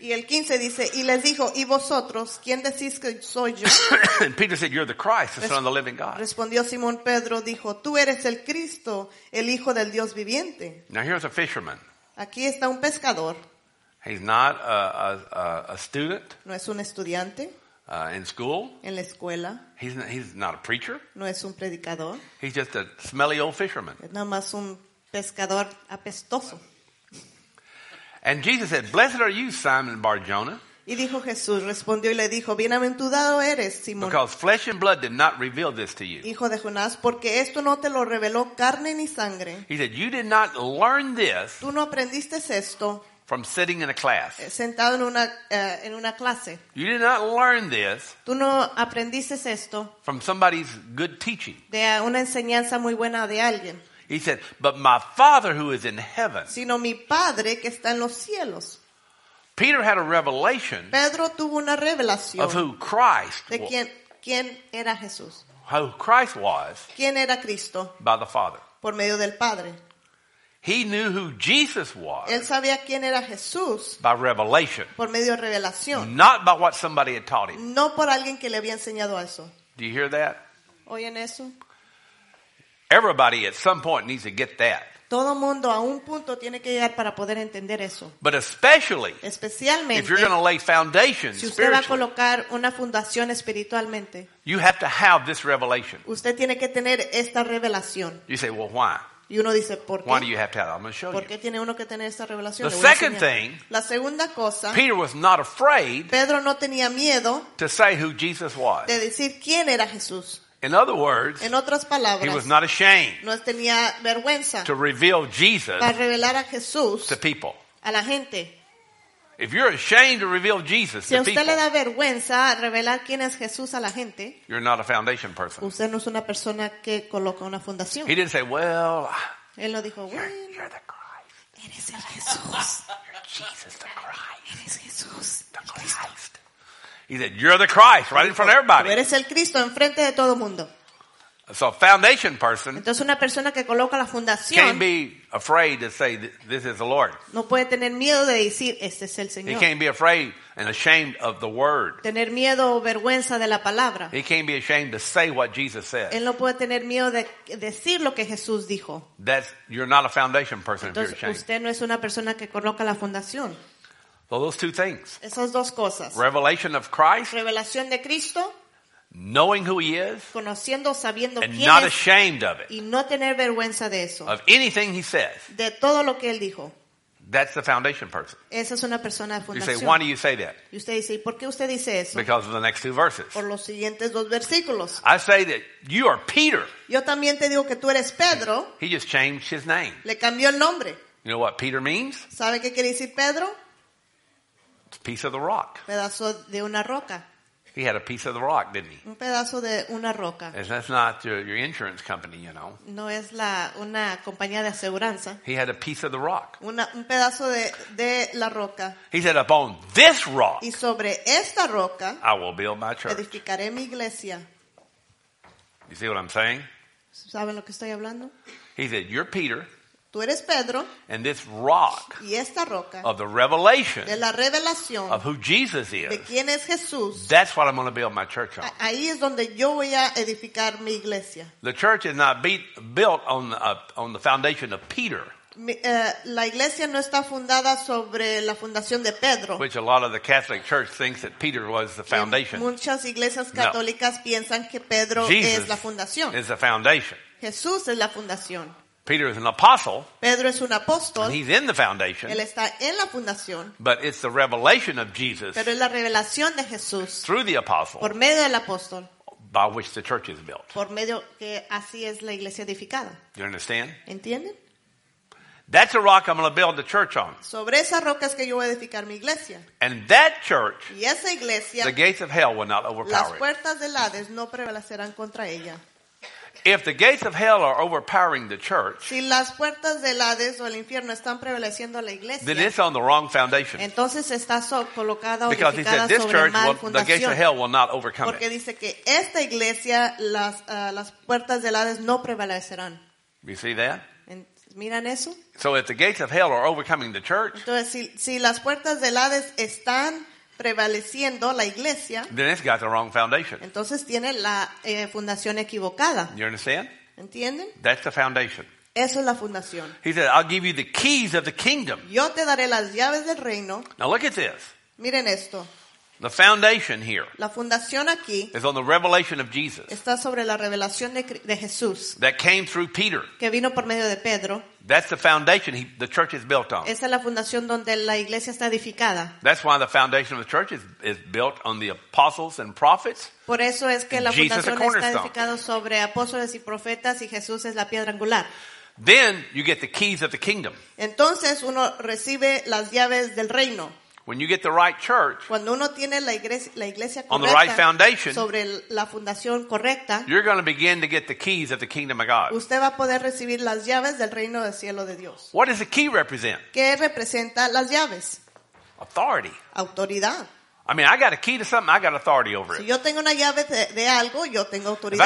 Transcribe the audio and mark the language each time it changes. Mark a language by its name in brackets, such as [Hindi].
[Spanish] Y el 15 dice, y les dijo, ¿y vosotros quién decís que soy yo? [English] And Peter said, you're the Christ, the Son of the living God. [Spanish] Respondió Simón Pedro, dijo, tú eres el Cristo, el Hijo del Dios viviente. [English] Now here's a fisherman. [Spanish] Aquí está un pescador. [English] He's not a student. [Spanish] No es un estudiante. [English] In school. [Spanish] En la escuela. [English] He's not a preacher. [Spanish] No es un predicador. [English] He's just a smelly old fisherman. [Spanish] Es nada más un pescador apestoso. [English] And Jesus said, "Blessed are you, Simon Bar-Jonah." [Spanish] Y dijo Jesús, respondió y le dijo, "Bienaventurado eres, Simón." [English] Because flesh and blood did not reveal this to you. [Spanish] Hijo de Jonás, porque esto no te lo reveló carne ni sangre. [English] He said, "You did not learn this." [Spanish] Tú no aprendiste esto. [English] From sitting in a class. [Spanish] Sentado en una clase. [English] You did not learn this. [Spanish] Tú no aprendiste esto. [English] From somebody's good teaching. [Spanish] De una enseñanza muy buena de alguien. [English] He said, "But my Father who is in heaven." [Spanish] Sino mi padre que está en los cielos. [English] Peter had a revelation. [Spanish] Pedro tuvo una revelación. [English] Of who Christ was. [Spanish] De quién era Jesús. [English] Who Christ was. [Spanish] Quién era Cristo. [English] By the Father. [Spanish] Por medio del Padre. [English] He knew who Jesus was. [Spanish] Él sabía quién era Jesús. [English] By revelation. [Spanish] Por medio de revelación. [English] Not by what somebody had taught him. [Spanish] No por alguien que le había enseñado eso. [English] Do you hear that? [Spanish] ¿Oyen eso? [English] Everybody at some point needs to get that. [Spanish] Todo mundo a un punto tiene que llegar para poder entender eso. [English] But especially, [Spanish] especialmente, [English] if you're going to lay foundations, [Spanish] si usted va a colocar una fundación espiritualmente, [English] you have to have this revelation. [Spanish] Usted tiene que tener esta revelación. [English] You say, well, why? [Spanish] Y uno dice, ¿por qué? [English] Why do you have to have it? I'm going to show you. [Spanish] ¿Por qué tiene uno que tener esta revelación? [English] The second thing, [Spanish] la segunda cosa, [English] Peter was not afraid. [Spanish] Pedro no tenía miedo [English] to say who Jesus was. [Spanish] De decir quién era Jesús. [English] In other words, [Spanish] en otras palabras, [English] he was not ashamed [Spanish] no tenía vergüenza [English] to reveal Jesus [Spanish] para revelar a Jesús [English] to people. [Spanish] A la gente. [English] If you're ashamed to reveal Jesus [Spanish] si [English] to people, [Spanish] si usted le da vergüenza revelar quién es Jesús a la gente, [English] you're not a foundation person. [Spanish] Usted no es una persona que coloca una fundación. [English] He didn't say, well, [Spanish] él no dijo, well, [English] you're the Christ. [Spanish] Eres el Jesús. [English] Jesus the Christ. [Spanish] Eres Jesús. [English] The Christ. He said, "You're the Christ," right in front of everybody. [Spanish] Tú eres el Cristo enfrente de todo mundo. [English] So, a foundation person. [Spanish] Entonces, una persona que coloca la fundación. [English] Can't be afraid to say this is the Lord. [Spanish] No puede tener miedo de decir este es el Señor. [English] He can't be afraid and ashamed of the word. [Spanish] Tener miedo o vergüenza de la palabra. [English] He can't be ashamed to say what Jesus said. [Spanish] Él no puede tener miedo de decir lo que Jesús dijo. [English] That's you're not a foundation person. [Spanish] Entonces, [English] if you're ashamed. [Spanish] Usted no es una persona que coloca la fundación. [English] So those two things. [Spanish] Esas dos cosas. [English] Revelation of Christ. [Spanish] Revelación de Cristo. [English] Knowing who he is. [Spanish] Conociendo, sabiendo quién es. [English] And not ashamed of it. [Spanish] Y no tener vergüenza de eso. [English] Of anything he says. [Spanish] De todo lo que él dijo. [English] That's the foundation person. [Spanish] Esa es una persona de [English] fundación. You say, why do you say that? [Spanish] Y usted dice, ¿y por qué usted dice eso? [English] Because of the next two verses. [Spanish] Por los siguientes dos versículos. [English] I say that you are Peter. [Spanish] Yo también te digo que tú eres Pedro. [English] He just changed his name. [Spanish] Le cambió el nombre. [English] You know what Peter means? [Spanish] ¿Sabe qué quiere decir Pedro? [English] It's a piece of the rock. [Spanish] Pedazo de una roca. [English] He had a piece of the rock, didn't he? [Spanish] Un pedazo de una roca. [English] And that's not your insurance company, you know. [Spanish] No es la una compañía de aseguranza. [English] He had a piece of the rock. [Spanish] Un pedazo de la roca. [English] He said, "Upon this rock, [Spanish] y sobre esta roca, [English] I will build my church." [Spanish] Edificaré mi iglesia. [English] You see what I'm saying? [Spanish] ¿Saben lo que estoy hablando? [English] He said, "You're Peter." [Spanish] Tú eres Pedro, [English] and this rock, [Spanish] y esta roca, [English] of the revelation, [Spanish] de la revelación, [English] of who Jesus is, [Spanish] de quién es Jesús, [English] that's what I'm going to build my church on. [Spanish] Ahí es donde yo voy a edificar mi iglesia. [English] The church is not built on the foundation of Peter. [Spanish] La iglesia no está fundada sobre la fundación de Pedro. [English] Which a lot of the Catholic Church thinks that Peter was the foundation. [Spanish] Muchas iglesias católicas piensan que Pedro es la fundación. [English] Jesus is the foundation. [Spanish] Jesús es la fundación. [English] Peter is an apostle. [Spanish] Pedro es un apóstol. [English] And he's in the foundation. [Spanish] Él está en la fundación. [English] But it's the revelation of Jesus. [Spanish] Pero es la revelación de Jesús. [English] Through the apostle. [Spanish] Por medio del apóstol. [English] By which the church is built. [Spanish] Por medio que así es la iglesia edificada. [English] You understand? [Spanish] ¿Entienden? [English] That's a rock I'm going to build the church on. [Spanish] Sobre esa roca es que yo voy a edificar mi iglesia. [English] And that church. [Spanish] Y esa iglesia. [English] The gates of hell will not overpower it. [Spanish] Las puertas del Hades no prevalecerán contra ella. [English] If the gates of hell are overpowering the church, [Spanish] si las puertas del Hades o el infierno están prevaleciendo la iglesia, [English] then it's on the wrong foundation. [Spanish] Entonces está colocada o edificada sobre mal fundación. [English] Because he said this church, the gates of hell will not overcome [Spanish] porque [English] it. [Spanish] Dice que esta iglesia las puertas del Hades no prevalecerán. [English] You see that? [Spanish] ¿Miran eso? [English] So if the gates of hell are overcoming the church, [Spanish] entonces si las puertas del Hades están prevaleciendo la iglesia, [English] then it's got the wrong foundation. [Spanish] Entonces tiene la fundación equivocada. [English] You understand? [Spanish] ¿Entienden? [English] That's the foundation. [Spanish] Eso es la fundación. [English] He said, "I'll give you the keys of the kingdom." [Spanish] Yo te daré las llaves del reino. [English] Now look at this. [Spanish] Miren esto. [English] The foundation here. [Spanish] La fundación aquí. [English] Is on the revelation of Jesus. [Spanish] Está sobre la revelación de Jesús. [English] That came through Peter. [Spanish] Que vino por medio de Pedro. [English] That's the foundation the church is built on. [Spanish] Esa es la fundación donde la iglesia está edificada. [English] That's why the foundation of the church is built on the apostles and prophets. [Spanish] Por eso es que la fundación está edificada sobre apóstoles y profetas y Jesús es la piedra angular. [English] Then you get the keys of the kingdom. [Spanish] Entonces uno recibe las llaves del reino. [English] When you get the right church, [Spanish] cuando uno tiene la iglesia correcta, [English] on the right foundation, [Spanish] sobre la fundación correcta, [English] you're going to begin to get the keys of the kingdom of God. [Spanish] Usted va a poder recibir las llaves del reino del cielo de Dios. [English] What does the key represent? [Spanish] ¿Qué representa las llaves? [English] Authority. [Spanish] Autoridad. [English] I mean, I got a key to something, I got authority over it. [Spanish] Si yo tengo una llave de algo, yo tengo autoridad